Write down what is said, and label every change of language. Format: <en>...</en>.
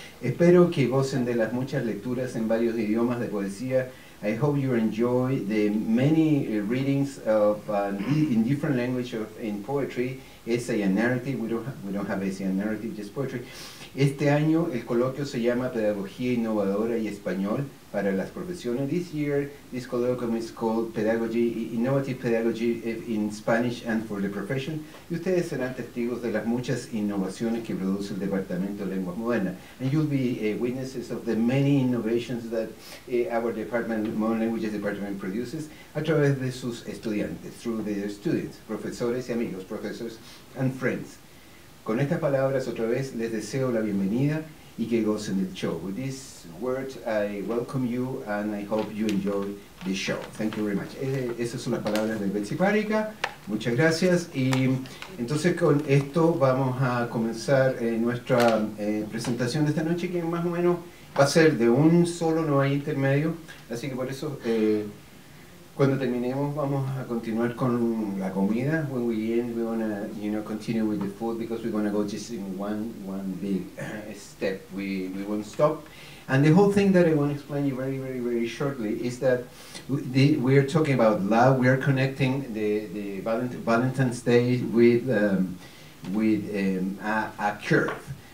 <es>Espero que gocen de las muchas lecturas en varios idiomas de poesía.</es> <en>I hope you enjoy the many readings of in different languages in poetry, essay and narrative. We don't have essay and narrative, just poetry.</en> <es>Este año el coloquio se llama Pedagogía Innovadora y Español para las Profesiones.</es> <en>This year, this colloquium is called Innovative Pedagogy in Spanish and for the Profession.</en> <es>Y ustedes serán testigos de las muchas innovaciones que produce el Departamento de Lenguas Modernas.</es> <en>And you'll be witnesses of the many innovations that our department, Modern Languages Department, produces</en> <es>a través de sus estudiantes,</es> <en>through their students,</en> <es>profesores y amigos,</es> <en>professors and friends.</en> <es>Con estas palabras, otra vez, les deseo la bienvenida y que gocen del show.</es> <en>With these words, I welcome you and I hope you enjoy the show. Thank you very much.</en> <es>Esas son las palabras de Betsy Parica. Muchas gracias. Y entonces, con esto vamos a comenzar nuestra presentación de esta noche, que más o menos va a ser de un solo, no hay intermedio. Así que por eso, cuando terminemos, vamos a continuar con la comida.</es> <en>When we end, we want to, you know, continue with the food, because we're going to go just in one big step. We won't stop. And the whole thing that I want to explain you very, very, very shortly is that we are talking about love. We are connecting Valentine's Day with a curve.</en>